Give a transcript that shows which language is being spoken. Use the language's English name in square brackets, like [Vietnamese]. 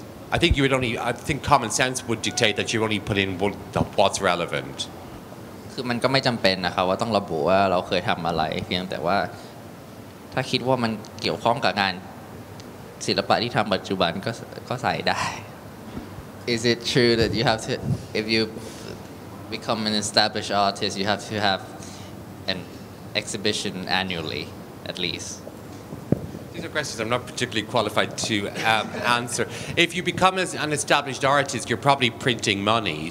[English] I think you would only, I think common sense would dictate that you only put in what's relevant. [Thai] คือมันก็ไม่จําเป็นนะครับว่าต้องระบุว่าเราเคยทําอะไรเพียงแต่ว่าถ้าคิดว่ามันเกี่ยวข้องกับงานศิลปะที่ทําปัจจุบันก็ใส่ได้ [English] Is it true that you have to, if you become an established artist, you have to have an exhibition annually at least? These are questions I'm not particularly qualified to answer. If you become an established artist, you're probably printing money.